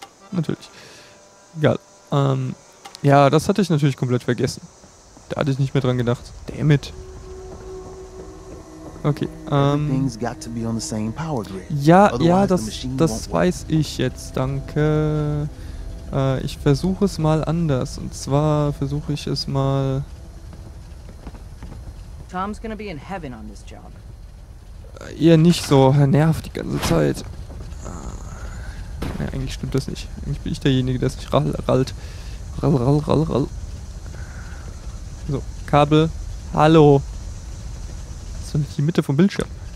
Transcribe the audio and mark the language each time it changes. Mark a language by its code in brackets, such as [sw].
[de] Natürlich. Egal. Ja, das hatte ich natürlich komplett vergessen. Da hatte ich nicht mehr dran gedacht. [en] Damn it. Okay. Everything's got to be on the same power grid. [de] Ja, das weiß ich jetzt. Danke. Ich versuche es mal anders. Und zwar versuche ich es mal... [en] Tom's gonna be in heaven on this job. [de] Eher nicht so. Er nervt die ganze Zeit. Ja, eigentlich stimmt das nicht. Eigentlich bin ich derjenige, der sich rallt. Rall. So, Kabel. Hallo. Das ist doch nicht die Mitte vom Bildschirm.